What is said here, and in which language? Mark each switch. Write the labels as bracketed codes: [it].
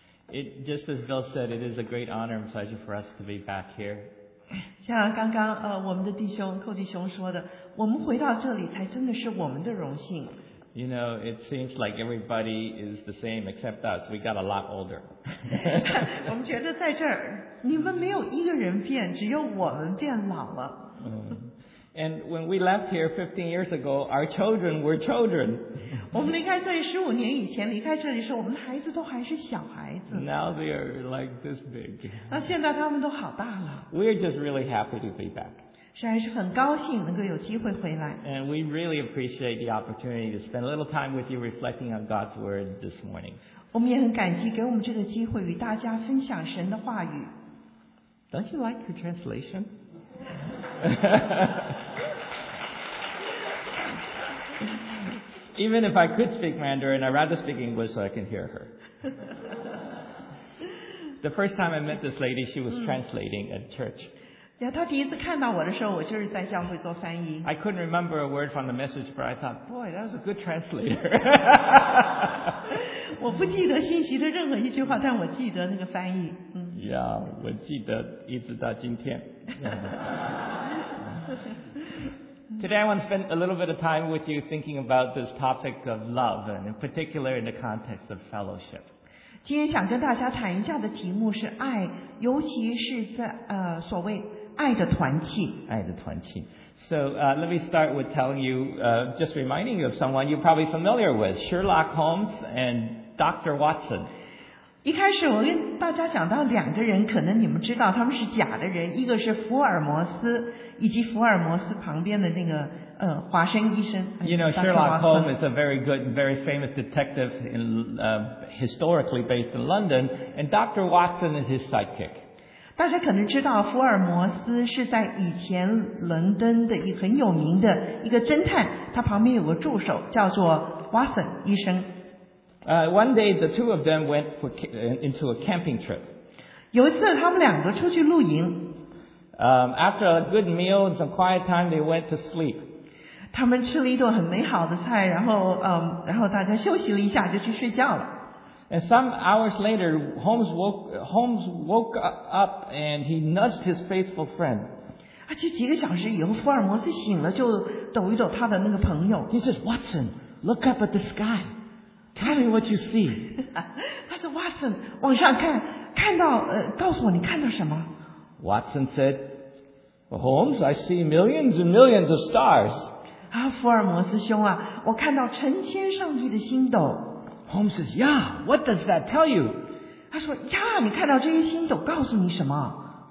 [en] It just as Bill said, it is a great honor and pleasure for us to be back here. [zh] 像刚刚我们的弟兄寇弟兄说的，我们回到这里才真的是我们的荣幸。 [en] You know, it seems like everybody is the same except us. We got a lot older. [zh] 我们觉得在这儿，你们没有一个人变，只有我们变老了。 [en] And when we left here 15 years ago, our children were children. [zh] 我们离开这里15年以前，离开这里的时候，我们的孩子都还是小孩子。 [en] Now they are like this big. [zh] 那现在他们都好大了。 [en] We're just really happy to be back. [zh] 实在是很高兴能够有机会回来。 [en] And we really appreciate the opportunity to spend a little time with you reflecting on God's word this morning. [zh] 我们也很感激给我们这个机会与大家分享神的话语。 [en] Don't you like your translation? Even if I could speak Mandarin, I'd rather speak English so I can hear her. The first time I met this lady, she was translating at church. [zh] 他第一次看到我的时候，我就是在教会做翻译。 [en] I couldn't remember a word from the message, but I thought, boy, that was a good translator. [zh] 我不记得信息的任何一句话，但我记得那个翻译。 Yeah, 我记得一直到今天。 [en] Today I want to spend a little bit of time with you thinking about this topic of love, and in particular in the context of fellowship. [zh] 今天想跟大家谈一下的题目是爱，尤其是在所谓爱的团契。爱的团契。 [en] So, let me start with telling you, just reminding you of someone you're probably familiar with, Sherlock Holmes and Dr. Watson. [zh] 一开始我跟大家讲到两个人，可能你们知道他们是假的人，一个是福尔摩斯，以及福尔摩斯旁边的那个。华生医生 [en] you know, Sherlock Holmes is a very good and very famous detective in, historically based in London, and Dr. Watson is his sidekick. [zh] 大家可能知道福尔摩斯是在以前伦敦的一个很有名的一个侦探，他旁边有个助手叫做 Watson 医生。 [en] One day, the two of them went for, into a camping trip. [zh] 有一次他们两个出去露营。 [en] After a good meal and some quiet time, they went to sleep. [zh] 他们吃了一顿很美好的菜，然后大家休息了一下，就去睡觉了。 [en] And some hours later, Holmes woke up and he nudged his faithful friend. [zh] 而且几个小时以后，福尔摩斯醒了，就抖一抖他的那个朋友。 [en] He says, "Watson, look up at the sky. Tell me what you see." [zh] 他说 ，Watson， 往上看，看到告诉我你看到什么。 [en] Watson said, "Holmes, I see millions and millions of stars." [zh] 啊，福尔摩斯兄啊，我看到成千上亿的星斗。 [en] Holmes says, "Yeah, what does that tell you?" [zh] 他说 ，Yeah, 你看到这些星斗告诉你什么